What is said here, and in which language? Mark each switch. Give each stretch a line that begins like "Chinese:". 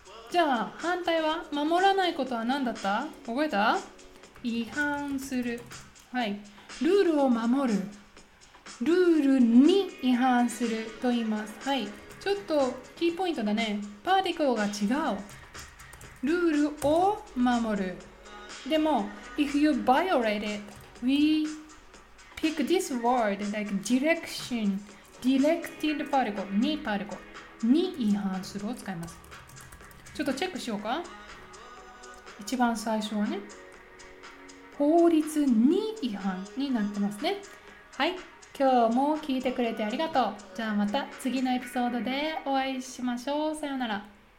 Japanese: じゃあ反対は、守らないことは何だった？覚えた？違反する。はい、ルールを守る、ルールに違反すると言います。はい、ちょっとキーポイントだね。パーティクルが違う。ルールを守る。でも、
English: if you violate it, we pick this word like direction, directed particle,
Japanese: に
English: particle,
Japanese: に違反するを使います。ちょっとチェックしようか。一番最初はね、法律に違反になってますね。はい、今日も聞いてくれてありがとう。じゃあまた次のエピソードでお会いしましょう。さよなら。